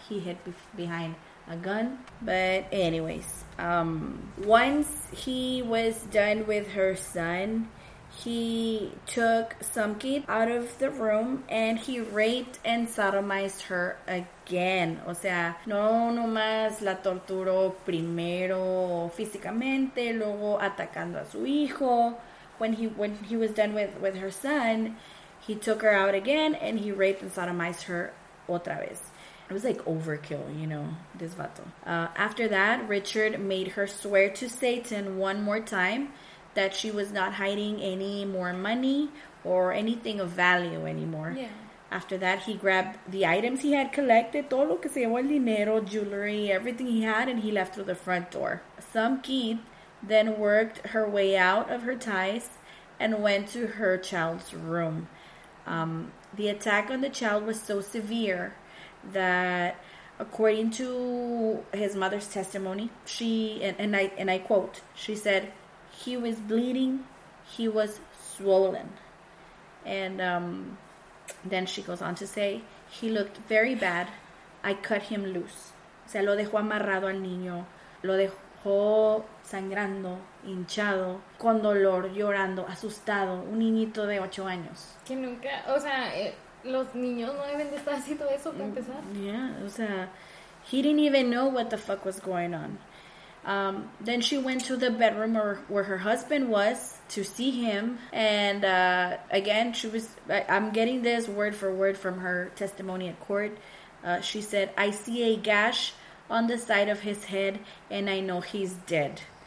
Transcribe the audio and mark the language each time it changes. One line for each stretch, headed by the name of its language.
English: He hid behind a gun. But anyways, once he was done with her son, he took some kid out of the room and he raped and sodomized her again.
Spanish: O sea, no nomás la torturó primero físicamente, luego atacando a su hijo.
English: When he was done with her son, he took her out again and he raped and sodomized her
Spanish: otra vez.
English: It was like overkill, you know, this vato. After that, Richard made her swear to Satan one more time that she was not hiding any more money or anything of value anymore. Yeah. After that, he grabbed the items he had collected,
Spanish: todo lo que se llevó, el dinero,
English: jewelry, everything he had, and he left through the front door. Some Keith then worked her way out of her ties and went to her child's room. The attack on the child was so severe that, according to his mother's testimony, she, and I quote, she said, "He was bleeding, he was swollen." And then she goes on to say, "He looked very bad, I cut him loose."
Spanish: O sea, lo dejó amarrado al niño, lo dejó sangrando, hinchado, con dolor, llorando, asustado, un niñito de 8 años. Que nunca, o sea, los niños no deben de estar haciendo eso para empezar.
English: Yeah,
Spanish: o sea,
English: he didn't even know what the fuck was going on. Then she went to the bedroom where her husband was to see him. And again, she was, I'm getting this word for word from her testimony at court. She said, "I see a gash on the side of his head and I know he's dead."